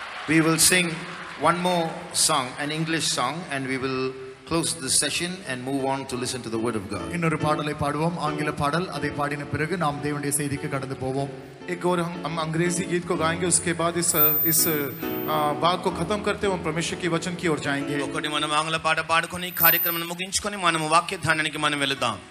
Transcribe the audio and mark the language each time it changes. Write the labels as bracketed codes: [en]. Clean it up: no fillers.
[en] We will sing one more song, an English song, and we will close the session and move on to listen to the word of God. [ta] இன்னொரு பாடலை பாடுவோம் ஆங்கில பாடல் அதை பாடின பிறகு நாம் தேவனுடைய செய்திக்கு கடந்து போவோம் [hi] एक और हम अंग्रेजी गीत को गाएंगे उसके बाद इस बाग को खत्म करते हुए परमेश्वर के वचन की ओर जाएंगे [te] ఒకటి మనం ఆంగ్ల పాట పాడుకొని కార్యక్రమం ముగించుకొని మనం వాక్య ధ్యానానికి మనం వెళ్దాం